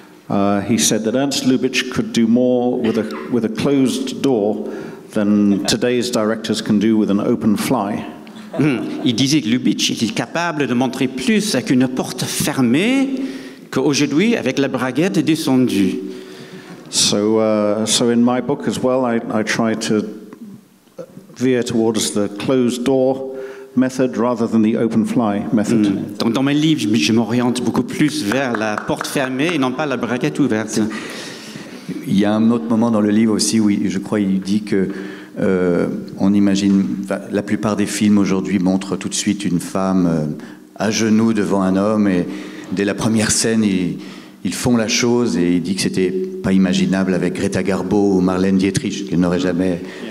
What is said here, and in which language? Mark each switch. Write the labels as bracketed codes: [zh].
[en] He said that Ernst Lubitsch could do more with a closed door than today's directors can do with an open fly. [fr] Il disait que Lubitsch était capable de montrer plus avec une porte fermée qu'aujourd'hui avec la braguette descendue. [en] So in my book as well, I try to veer towards the closed door method rather than the open fly method. Mm. [fr] Donc dans mes livres, je m'oriente beaucoup plus vers la porte fermée et non pas la braguette ouverte. Il y a un autre moment dans le livre aussi où je crois il dit que on imagine la plupart des films aujourd'hui montrent tout de suite une femme à genoux devant un homme et dès la première scène ils font la chose et il dit que c'était pas imaginable avec Greta Garbo ou Marlène Dietrich, qu'elle n'aurait jamais.